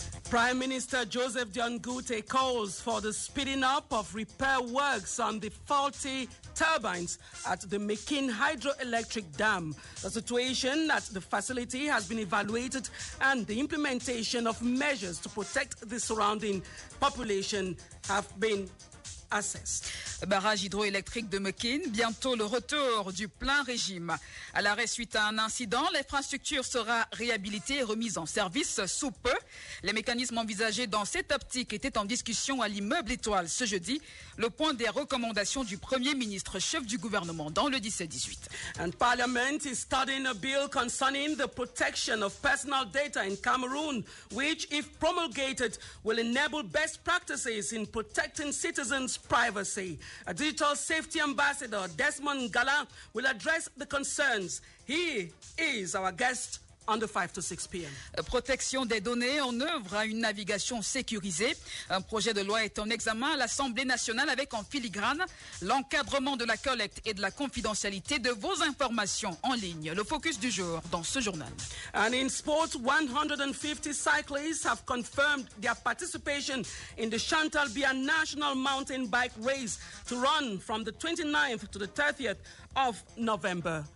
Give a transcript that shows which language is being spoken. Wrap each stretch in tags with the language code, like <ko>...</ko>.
<en>Prime Minister Joseph Diangute calls for the speeding up of repair works on the faulty turbines at the Mekin Hydroelectric Dam. The situation at the facility has been evaluated and the implementation of measures to protect the surrounding population have been assessed.</en> <fr>Barrage hydroélectrique de Mekin, bientôt le retour du plein régime. À l'arrêt suite à un incident, l'infrastructure sera réhabilitée et remise en service sous peu. Les mécanismes envisagés dans cette optique étaient en discussion à l'immeuble étoile ce jeudi, le point des recommandations du Premier ministre, chef du gouvernement, dans le 17-18.</fr> <en>And Parliament is studying a bill concerning the protection of personal data in Cameroon, which, if promulgated, will enable best practices in protecting citizens' privacy. A digital safety ambassador, Desmond Gala, will address the concerns. He is our guest on the 5 to 6 p.m.</en> <fr>Protection des données en œuvre à une navigation sécurisée. Un projet de loi est en examen à l'Assemblée nationale avec en filigrane l'encadrement de la collecte et de la confidentialité de vos informations en ligne. Le focus du jour dans ce journal.</fr> <en>And in sport, 150 cyclists have confirmed their participation in the Chantal Biya National Mountain Bike Race to run from the 29th to the 30th of November.</en>